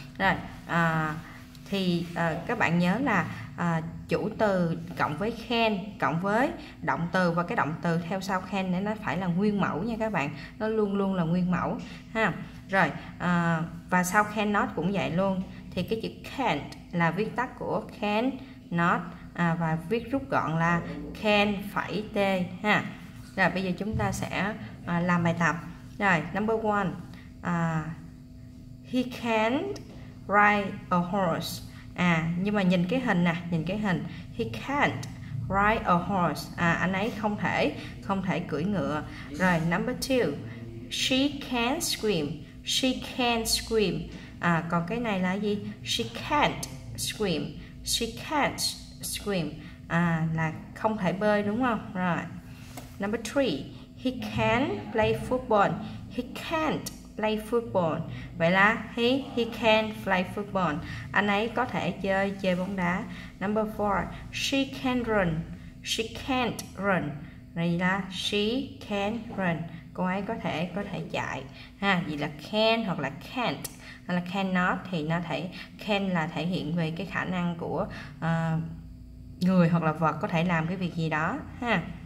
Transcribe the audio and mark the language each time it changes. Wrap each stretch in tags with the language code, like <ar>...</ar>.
<vi>Rồi thì các bạn nhớ là chủ từ cộng với can cộng với động từ, và cái động từ theo sau can nó phải là nguyên mẫu nha các bạn, nó luôn luôn là nguyên mẫu ha. Rồi và sau can not cũng vậy luôn, thì cái chữ can't là viết tắt của can not, và viết rút gọn là can phẩy t ha. Rồi bây giờ chúng ta sẽ làm bài tập.</vi> <en>Rồi, number one, he can't ride a horse.</en> <vi>Nhưng mà nhìn cái hình nè, nhìn cái hình,</vi> <en>he can't ride a horse.</en> <vi>Anh ấy không thể cưỡi ngựa.</vi> <en>Rồi, number two, she can't scream. She can't scream.</en> <vi>Còn cái này là gì?</vi> <en>She can't scream. She can't scream.</en> <vi>Là không thể bơi đúng không? Rồi.</vi> <en>Number three, he can play football. He can't play football.</en> <vi>Vậy là</vi> <en>he can play football.</en> <vi>Anh ấy có thể chơi bóng đá.</vi> <en>Number four, she can run. She can't run.</en> <vi>Vậy là</vi> <en>she can run.</en> <vi>Cô ấy có thể chạy. Ha, vậy là can hoặc là can't hoặc là cannot thì nó thể can là thể hiện về cái khả năng của người hoặc là vật có thể làm cái việc gì đó. Ha.</vi>